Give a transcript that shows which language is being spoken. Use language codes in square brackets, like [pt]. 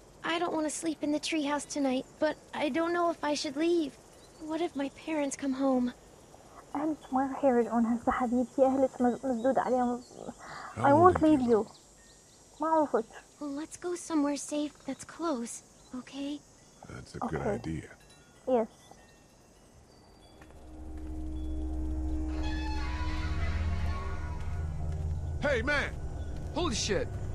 [en] I don't want to sleep in the treehouse tonight, but I don't know if I should leave. What if my parents come home? [ar] أهلك ما رح يرجعون هسه حبيبتي، أهلك مسدود عليهم. [en] I won't leave you. [ar] ما عرفت. [en] Let's go somewhere safe that's close, okay? That's a good idea. Yes. Hey man! Holy shit!